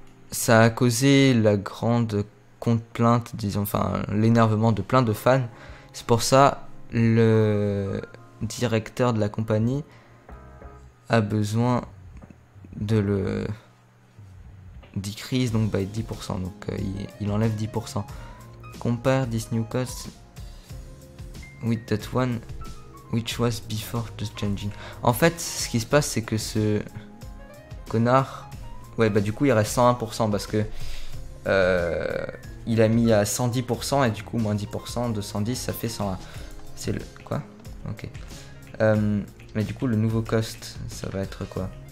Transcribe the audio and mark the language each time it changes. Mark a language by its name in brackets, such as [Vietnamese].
[French] Ça a causé la grande plainte, disons, enfin l'énervement de plein de fans. C'est pour ça le directeur de la compagnie a besoin de le decrease donc [English] by 10%. [French] Donc il enlève 10%. [English] Compare this new cost with that one which was before the changing. [French] En fait, ce qui se passe, c'est que ce connard. Ouais, bah du coup, il reste 101% parce que il a mis à 110% et du coup, moins 10% de 110, ça fait 101. C'est le. Quoi? Ok. Mais du coup, le nouveau cost, ça va être quoi?